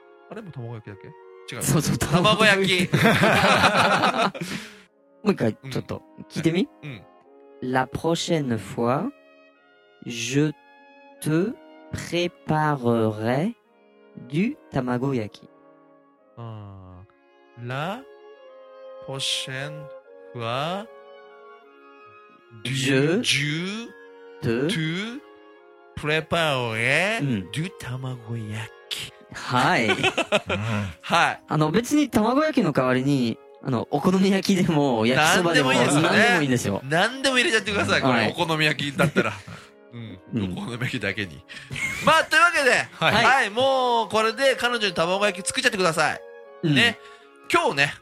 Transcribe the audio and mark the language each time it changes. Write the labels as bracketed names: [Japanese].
[Japanese] あれ、もう卵焼きだっけ？そうそう、卵焼き。もう一回ちょっと聞いてみ。 [French] La prochaine fois, je te préparerai du tamago yaki. La prochaine fois, je te préparerai du tamago yaki. [Japanese] はい、うん、はい、別に卵焼きの代わりにお好み焼きでも焼きそばでも何でもいいですよ、ね、何でもいいんですよ、何でも入れちゃってください、これ、はい、お好み焼きだったら、うん、お好み焼きだけに、まあというわけで、はい、はい、もうこれで彼女に卵焼き作っちゃってください、うん、ね、今日ね、